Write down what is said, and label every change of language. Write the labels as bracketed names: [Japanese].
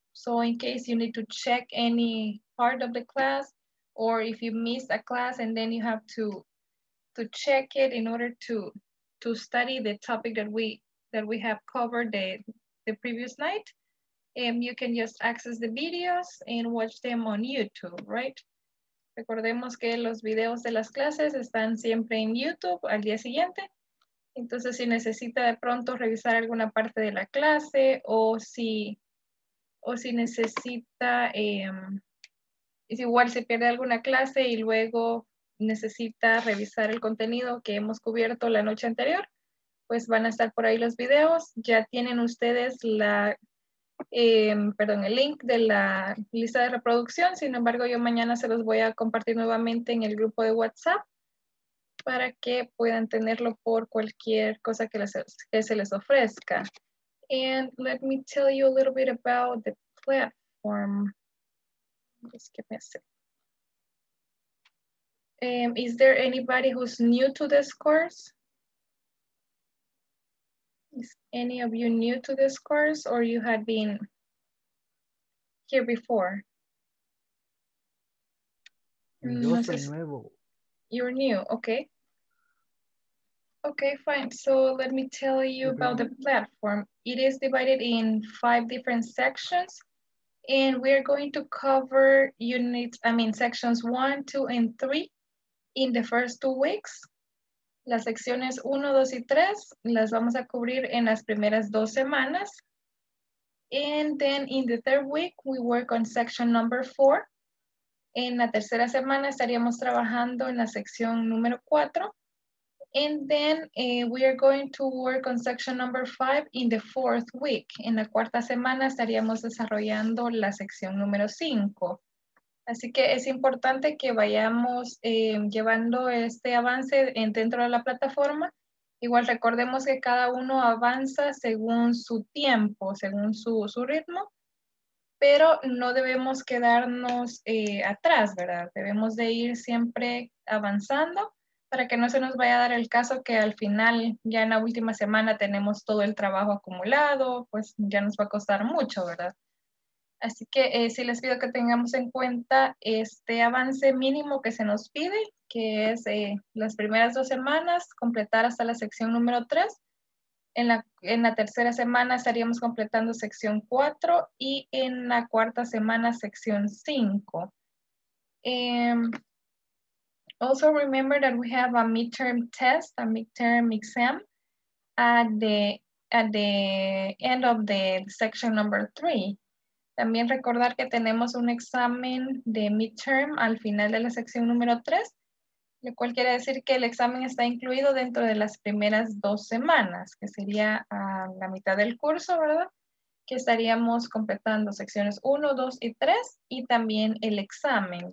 [English] So in case you need to check any part of the class or if you miss a class and then you have to check it in order to study the topic that we have covered the previous night, you can just access the videos and watch them on YouTube, right? [Spanish] Recordemos que los videos de las clases están siempre en YouTube al día siguiente. Entonces, si necesita de pronto revisar alguna parte de la clase o si necesita, es igual si pierde alguna clase y luego necesita revisar el contenido que hemos cubierto la noche anterior, pues van a estar por ahí los videos. Ya tienen ustedes el link de la lista de reproducción. Sin embargo, yo mañana se los voy a compartir nuevamente en el grupo de WhatsApp. Para que puedan tenerlo por cualquier cosa que se les ofrezca. [English] And let me tell you a little bit about the platform. Just give me a sec. Is there anybody who's new to this course? Is any of you new to this course or you had been here before? You're new, okay. Okay, fine. So let me tell you about the platform. It is divided in 5 different sections and we're going to cover sections 1, 2, and 3 in the first 2 weeks. [Spanish] Las secciones 1, 2, y 3 las vamos a cubrir en las primeras 2 semanas. [English] And then in the third week, we work on section number 4. [Spanish] En la tercera semana estaríamos trabajando en la sección número 4. [English] And then we are going to work on section number 5 in the fourth week. [Spanish] En la cuarta semana estaríamos desarrollando la sección número 5. Así que es importante que vayamos llevando este avance dentro de la plataforma. Igual recordemos que cada uno avanza según su tiempo, según su ritmo. Pero no debemos quedarnos atrás, ¿verdad? Debemos de ir siempre avanzando para que no se nos vaya a dar el caso que al final, ya en la última semana, tenemos todo el trabajo acumulado, pues ya nos va a costar mucho, ¿verdad? Así que sí les pido que tengamos en cuenta este avance mínimo que se nos pide, que es las primeras dos semanas, completar hasta la sección número 3. En la tercera semana estaríamos completando sección 4 y en la cuarta semana sección 5. [English] Also remember that we have a midterm test, a midterm exam at the end of the section number 3. [Spanish] También recordar que tenemos un examen de midterm al final de la sección número 3, lo cual quiere decir que el examen está incluido dentro de las primeras dos semanas, que sería a la mitad del curso, ¿verdad? Que estaríamos completando secciones 1, 2 y 3 y también el examen.